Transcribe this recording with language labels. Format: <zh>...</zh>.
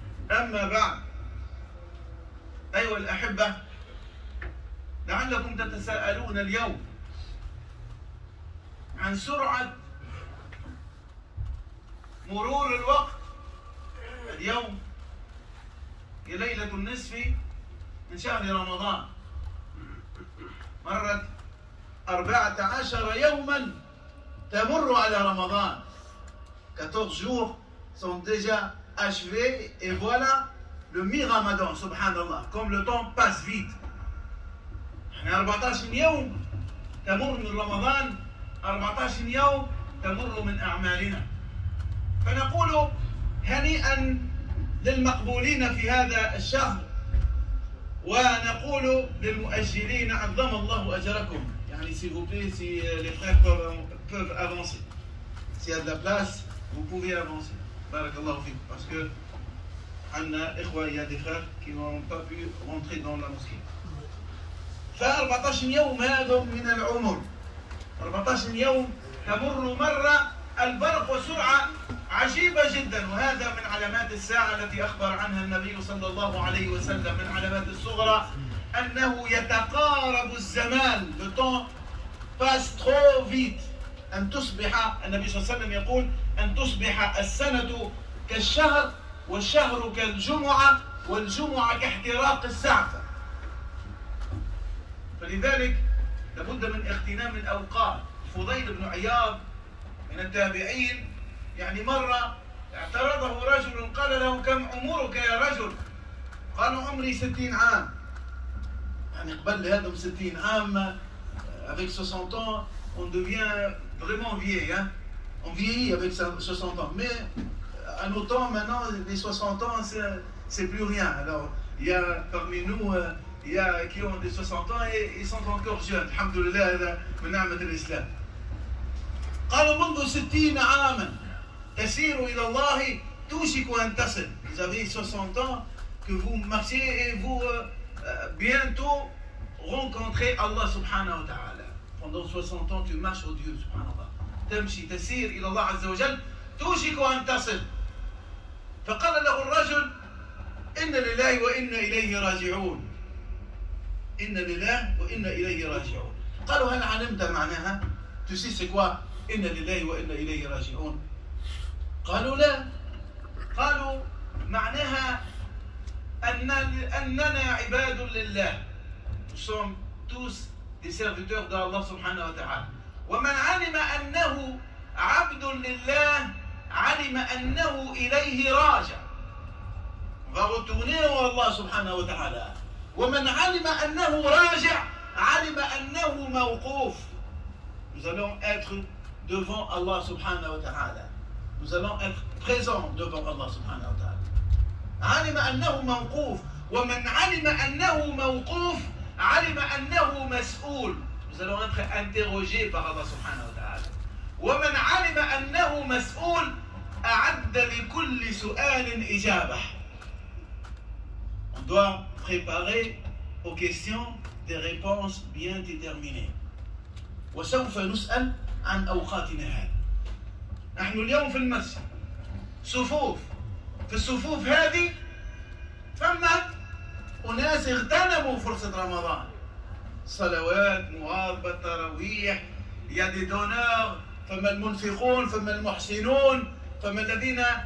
<ar>أما بعد، أيها الأحبة، لعلكم تتساءلون اليوم عن سرعة مرور الوقت. اليوم هي ليلة النصف من شهر رمضان، مرت 14 يوما تمر على رمضان.</ar> <fr>14 jours sont déjà achevés et voilà le mi-ramadan.</fr> <ar>سبحان الله،</ar> <fr>comme le temps passe vite.</fr> <ar>يعني 14 يوم تمر من رمضان، 14 يوم تمر من أعمالنا. فنقول هنيئا للمقبولين في هذا الشهر، ونقول للمؤجلين عظم الله أجركم.</ar> <fr>يعني si vous plaît, si les frères peuvent avancer, s'il y a de la place, vous pouvez avancer.</fr> <ar>بارك الله فيك.</ar> <fr>Parce que</fr> <ar>عندنا إخوة،</ar> <fr>il y a des frères qui n'ont pas pu rentrer dans la mosquée.</fr> <ar>فأربعتاشر يوم هذا من العمر، 14 يوم تمر مرة البرق وسرعة عجيبة جدا، وهذا من علامات الساعة التي أخبر عنها النبي صلى الله عليه وسلم، من علامات الصغرى أنه يتقارب الزمان.</ar> <fr>Le temps passe trop vite.</fr> <ar>أن تصبح، النبي صلى الله عليه وسلم يقول، أن تصبح السنة كالشهر والشهر كالجمعة والجمعة كاحتراق السعفة. فلذلك لابد من اغتنام الأوقات. فضيل بن عياض من التابعين، يعني مرة اعترضه رجل قال له كم عمرك يا رجل؟ قال عمري 60 عام. يعني قبل هذا 60 عام،</ar> <fr>avec 60 ans on devient vraiment vieux، on vieillit avec 60 ans. Mais à nos temps maintenant les 60 ans c'est plus rien. Alors il y a parmi nous il y a qui ont des 60 ans et ils sont encore jeunes.</fr> <ar>Alhamdulillah, هذا من نعمة الإسلام. قال منذ 60 عاما تسير إلى الله توشك أن تصل.</ar> <fr>Vous avez 60 ans que vous marchez et vous bientôt rencontrez Allah subhanahu wa ta'ala. Pendant 60 ans tu marches au Dieu subhanahu wa ta'ala.</fr> <ar>تمشي تسير إلى الله عز وجل توشك أن تصل. فقال له الرجل إن لله وإن إليه راجعون. إن لله وإن إليه راجعون. قالوا هل علمت معناها؟</ar> <fr>Tu sais c'est quoi</fr> <ar>إن لله وإن إليه راجعون؟ قالوا لا. قالوا معناها أننا عباد لله.</ar> <fr>Nous sommes tous des serviteurs d'Allah subhanahu wa ta'ala.</fr> <ar>وَمَنْ عَلِمَ أَنَّهُ عَبْدٌ لِلَّهِ عَلِمَ أَنَّهُ إِلَيْهِ رَاجَ</ar> <fr>va retourner au Allah subhanahu wa ta'ala.</fr> <ar>وَمَنْ عَلِمَ أَنَّهُ رَاجَ عَلِمَ أَنَّهُ مَوْقُوف</ar> <fr>nous allons être devant Allah subhanahu wa ta'ala. Nous allons être présents devant Allah subhanahu wa ta'ala.</fr> <ar>عَلِمَ أَنَّهُ مَوْقُوف وَمَنْ عَلِمَ أَنَّهُ مَوْقُوف عَلِمَ أَنَّهُ مَسْئُول</ar> <fr>nous allons être interrogés par Allah subhanahu wa ta'ala.</fr> <ar>وَمَنْ عَلِمَ أَنَّهُ مَسْئُول أَعَدَّ لِكُلِّ سُؤَالٍ إِجَابَةٍ</ar> <fr>on doit préparer aux questions des réponses bien déterminées.</fr> <ar>وَسَوْفَ نُسْأَلْ عَنْ أَوْقَاتِنَا هَذِهِ نحن اليوم في المسجد صفوف في الصفوف هذه فما أناس اغتنموا فرصة رمضان صلوات مواظبة تراويح يد دونور فما المنفقون فما المحسنون فما الذين</ar>